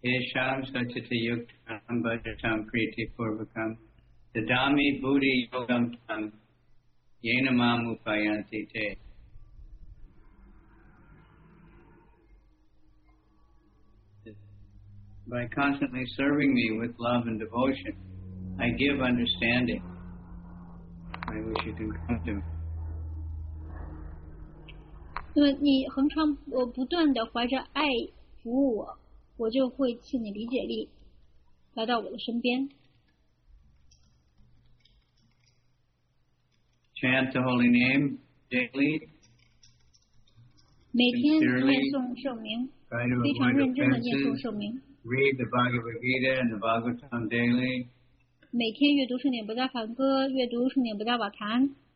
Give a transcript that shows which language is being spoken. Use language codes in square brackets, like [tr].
[sa] Isham sachita yuktam bhajatam priti purvakam tadami buddhi yogam tam yenamam upayanti te. [en] By constantly serving me with love and devotion, I give understanding. I wish you can come to me. [zh] 对，你恒常不断地怀着爱服务我，我就会赐你理解力，来到我的身边。 [en] Chant the holy name daily. [zh] 每天念诵圣名，非常认真地念诵圣名。 [en] Read the Bhagavad Gita and the Bhagavatam daily. [zh] 每天阅读圣典不再梵歌，阅读圣典不再瓦坛。